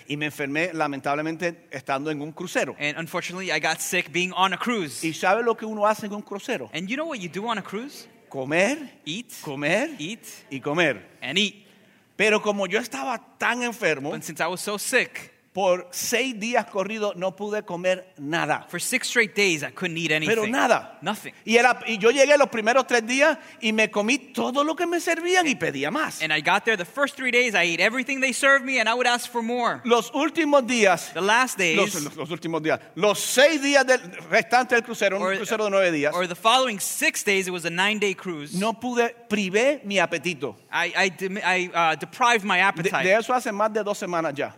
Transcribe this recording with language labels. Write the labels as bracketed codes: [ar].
[es] Y me enfermé lamentablemente estando en un crucero. [en] And unfortunately I got sick being on a cruise. [es] ¿Y sabes lo que uno hace en un crucero? [en] And you know what you do on a cruise? [es] Comer. [en] Eat. [es] Comer. [en] Eat. [es] Y comer. [en] And eat. [es] Pero como yo estaba tan enfermo. [en] But since I was so sick. [es] Por seis días corrido no pude comer nada. [en] For six straight days I couldn't eat anything. [es] Pero nada. [en] Nothing. [es] Y yo llegué los primeros tres días y me comí todo lo que me servían y pedía más. [en] And I got there the first three days I ate everything they served me and I would ask for more. [es] Los últimos días. [en] The last days. [es] Los últimos días. Los seis días del restante del crucero, un crucero de nueve días. [en] Or the following six days, it was a nine-day cruise. [es] No pude, privé mi apetito. [en] I deprived my appetite. [es] De eso hace más de dos semanas ya.